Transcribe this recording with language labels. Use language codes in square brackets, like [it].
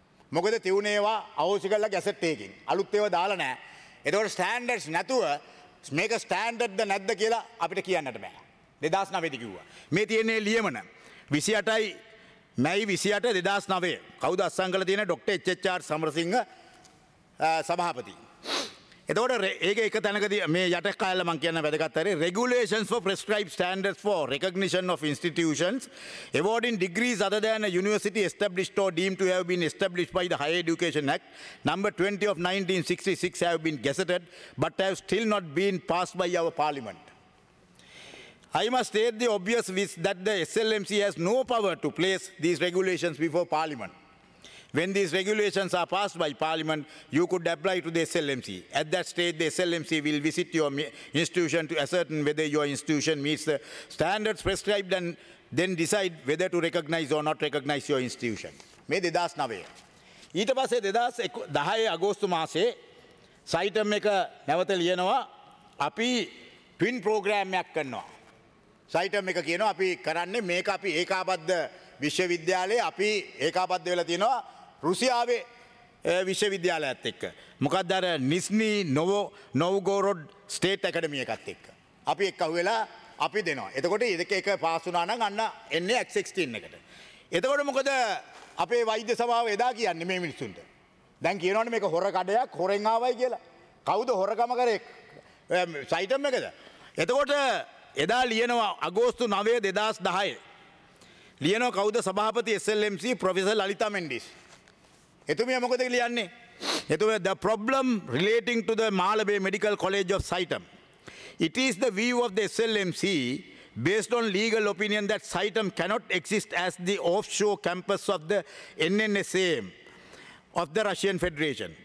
[si] මොකද තියුණේවා අවශ්‍ය කරලා ගැසට් එකකින්. අලුත් ඒවා දාලා නැහැ. එතකොට ස්ටෑන්ඩර්ඩ්ස් නැතුව මේක ස්ටෑන්ඩර්ඩ්ද නැද්ද කියලා අපිට කියන්නට බෑ. 2009 කිව්වා. මේ තියෙන්නේ ලියමන 28 මැයි 28 2009. කවුද අස්සංගල තියෙන ડોક્ટર HHR සමරසිංහ සභාපති. එතකොට ඒක එක තැනකදී මේ යට කයල මම කියන්න වැදගත් හරි [en] regulations for prescribed standards for recognition of institutions awarding degrees other than a university established or deemed to have been established by the higher education act number 20 of 1966 have been gazetted but have still not been passed by our parliament. I must state the obvious wish that the SLMC has no power to place these regulations before parliament. When these regulations are passed by parliament, you could apply to the SLMC. At that stage, the SLMC will visit your institution to ascertain whether your institution meets the standards prescribed and then decide whether to recognize or not recognize your institution. [si] මේ 2009. ඊට පස්සේ 2010 අගෝස්තු මාසේ සයිටම් එක නැවත ලියනවා. අපි twin programme එකක් කරනවා. සයිටම් එක කියනවා අපි කරන්නේ මේක අපි ඒකාබද්ධ විශ්වවිද්‍යාලයේ අපි ඒකාබද්ධ වෙලා තියෙනවා රුසියාවේ විශ්වවිද්‍යාලයත් එක්ක. මොකක්ද අර නිස්නි නොවගොරොඩ් ස්ටේට් ඇකඩමි එකත් එක්ක. අපි එක්කහුවෙලා අපි දෙනවා. එතකොට ඒක එක පාස් වුණා නම් අන්න එන්නේ X16 එකට. එතකොට මොකද අපේ වෛද්‍ය සභාව එදා කියන්නේ මේ මිනිස්සුන්ට? දැන් කියනවනේ මේක හොර කඩයක් හොරෙන් ආවයි කියලා. කවුද හොරකම කරේ සයිටම් එකද? එතකොට එදා ලියනවා අගෝස්තු 9 2010 ලියනවා කවුද සභාපති SLMC ප්‍රොෆෙසර් ලලිතා මෙන්ඩිස්. එතුමිය මොකද ලියන්නේ? [en] එතුමිය the problem relating to the Malabe Medical College of Saitam. It is the view of the SLMC based on legal opinion that Saitam cannot exist as the offshore campus of the NNSA of the Russian Federation.